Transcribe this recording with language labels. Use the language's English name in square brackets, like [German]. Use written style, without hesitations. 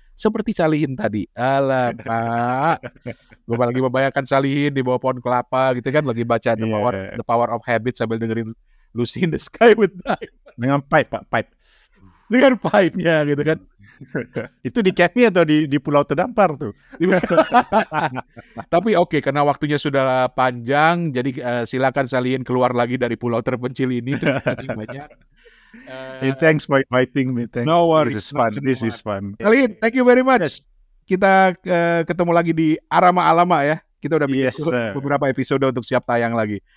[Indonesian] Seperti Salihin tadi, alah Pak, gue lagi membayangkan Salihin di bawah pohon kelapa gitu kan, lagi baca The Power of Habit sambil dengerin Lucy in the Sky with Diamonds. Dengan pipe Pak, pipe. Dengan pipe-nya gitu kan. Itu di cafe atau di pulau terdampar tuh. Tapi okay, karena waktunya sudah panjang, jadi silakan Salihin keluar lagi dari pulau terpencil ini. [English] Hey, thanks for inviting me. Thanks. No worries, this is fun. This is fun. Salihin, thank you very much. [Indonesian] Kita ketemu lagi di Arama Alama ya. Kita udah bikin beberapa episode untuk siap tayang lagi.